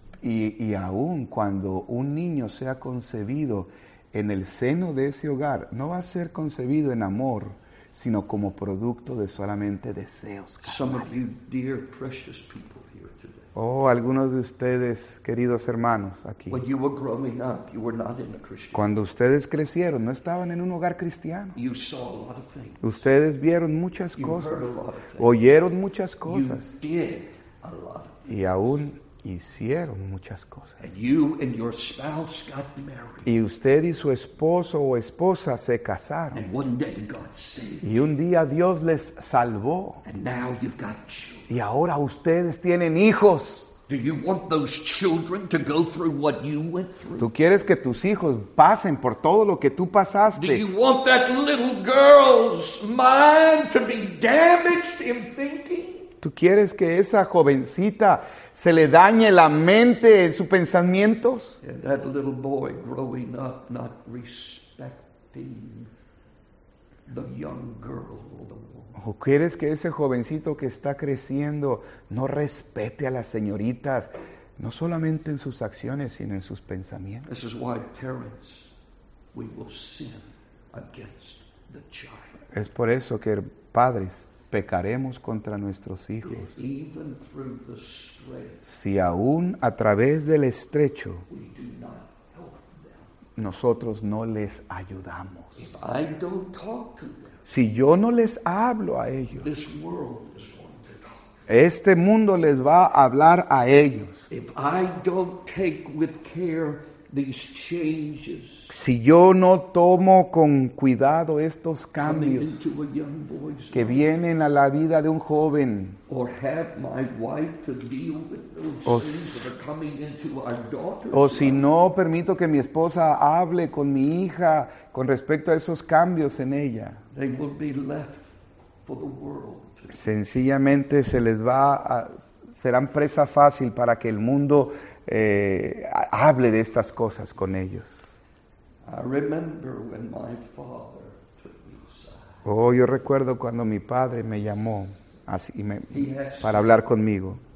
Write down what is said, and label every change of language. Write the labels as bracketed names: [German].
[Spanish] Y aun cuando un niño sea concebido en el seno de ese hogar, no va a ser concebido en amor, sino como producto de solamente deseos carnales. [English] Some of you dear, precious people here today. [Spanish] Oh, algunos de ustedes, queridos hermanos, aquí. [English] When you were growing up, you were not in a Christian. [Spanish] Cuando ustedes crecieron, no estaban en un hogar cristiano. [English] You saw a lot of things. [Spanish] Ustedes vieron muchas [English] you [Spanish] cosas. [English] Heard a lot of things. [Spanish] Oyeron muchas cosas. [English] You did a lot of things. [Spanish] Y aún hicieron muchas cosas. [English] And you and your spouse got married. [Spanish] Y usted y su esposo o esposa se casaron. [English] And one day God saved. [Spanish] Y un día Dios les salvó. [English] And now you've got children. [Spanish] Y ahora ustedes tienen hijos. [English] Do you want those children to go through what you went through? [Spanish] ¿Tú quieres que tus hijos pasen por todo lo que tú pasaste? [English] Do you want that little girl's mind to be damaged in thinking? [Spanish] ¿Tú quieres que esa jovencita se le dañe la mente en sus pensamientos? [English] And that little boy growing up not respecting the young girl. [Spanish] ¿O quieres que ese jovencito que está creciendo no respete a las señoritas, no solamente en sus acciones, sino en sus pensamientos? [English] This is why parents, we will sin against the child. [Spanish] Es por eso que padres pecaremos contra nuestros hijos. [English] If even through the strait, [Spanish] si aún a través del estrecho, [English] we do not help them. [Spanish] Nosotros no les ayudamos. [English] If I don't talk to them, [Spanish] si yo no les hablo a ellos, [English] this world is [Spanish] este mundo les va a hablar a ellos. [English] If I don't take with care these changes, [Spanish] si yo no tomo con cuidado estos cambios que vienen a la vida de un joven, o si no permito que mi esposa hable con mi hija con respecto a esos cambios en ella, [English] they will be left for the world. [Spanish] Sencillamente se les va a, serán presa fácil para que el mundo hable de estas cosas con ellos. [English] I remember when my father took me aside. [Spanish] Oh, yo recuerdo cuando mi padre me llamó así, para hablar conmigo.